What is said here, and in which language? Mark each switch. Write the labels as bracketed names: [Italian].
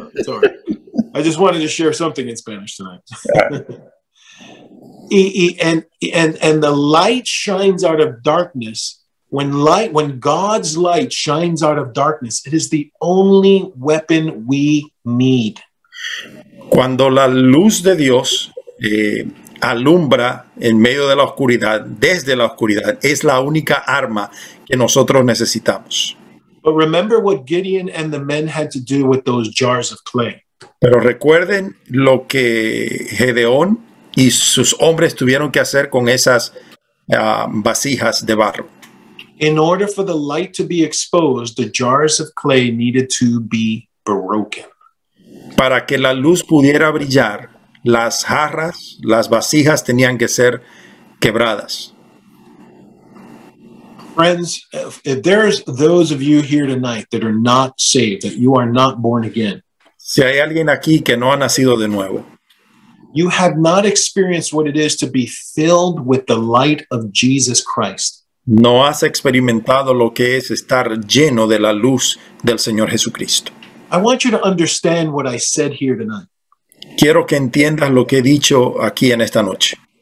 [English] It's all right. I just wanted to share something in Spanish tonight. And the light shines out of darkness. When God's light shines out of darkness, it is the only weapon we need. [Spanish] Cuando la luz de Dios alumbra en medio de la oscuridad, desde la oscuridad, es la única arma que nosotros necesitamos. [English] But remember what Gideon and the men had to do with those jars of clay. [Spanish] Pero recuerden lo que Gedeón y sus hombres tuvieron que hacer con esas vasijas de barro. [English] In order for the light to be exposed, the jars of clay needed to be broken. [Spanish] Para que la luz pudiera brillar, las jarras, las vasijas tenían que ser quebradas. [English] Friends, if there's those of you here tonight that are not saved, that you are not born again. [Spanish] Si hay alguien aquí que no ha nacido de nuevo. [English] You have not experienced what it is to be filled with the light of Jesus Christ. [Spanish] No has experimentado lo que es estar lleno de la luz del Señor Jesucristo. [English] I want you to understand what I said here tonight. [Spanish] Quiero que entiendas lo que he dicho aquí en esta noche.